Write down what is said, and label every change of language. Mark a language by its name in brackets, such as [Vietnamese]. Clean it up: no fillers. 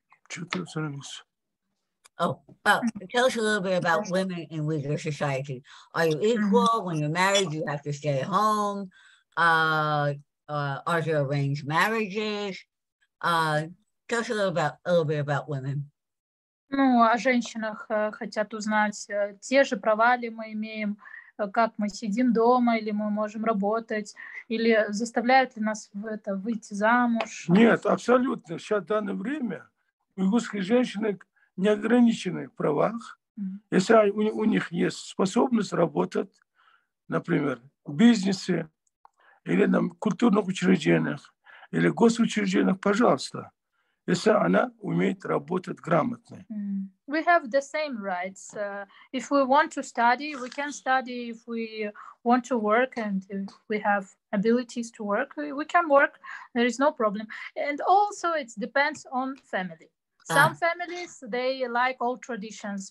[English] Tell us a little bit about women in Uyghur society. Are you equal? When you're married, you have to stay at home. Are there arranged marriages? Tell us a little bit about women. [Russian] Ну, о женщинах хотят узнать, те же права ли мы имеем, как мы сидим дома, или мы можем работать, или заставляют ли нас в это выйти замуж? Нет, абсолютно. Сейчас, в данное время, уйгурские женщины не ограничены в правах. Mm-hmm. Если у них есть способность работать, например, в бизнесе, или в культурных учреждениях, или в госучреждениях, пожалуйста. Если она умеет работать грамотно. Mm. [English] We have the same rights. If we want to study, we can study. If we want to work and we have abilities to work, we can work. There is no problem. And also it depends on family. Some families, they like old traditions.